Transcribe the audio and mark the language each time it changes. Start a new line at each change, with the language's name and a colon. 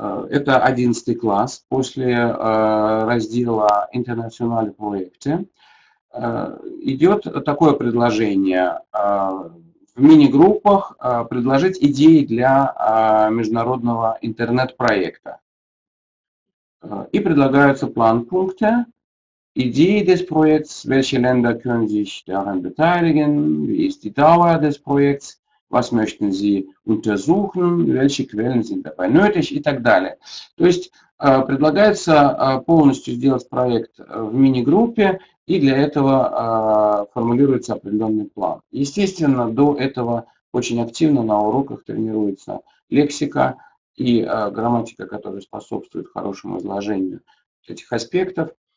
Russian: Это 11 класс после раздела «Интернациональные проекты». Идет такое предложение в мини-группах предложить идеи для международного интернет-проекта. И предлагаются план-пункты.
German: Идеи des Projekts, welche Länder können sich daran beteiligen, wie ist die Dauer des Projekts, was möchten Sie untersuchen, welche Quellen sind dabei nötig
Russian: и так далее. То есть предлагается полностью сделать проект в мини-группе, и для этого формулируется определенный план. Естественно, до этого очень активно на уроках тренируется лексика и грамматика, которая способствует хорошему изложению этих аспектов.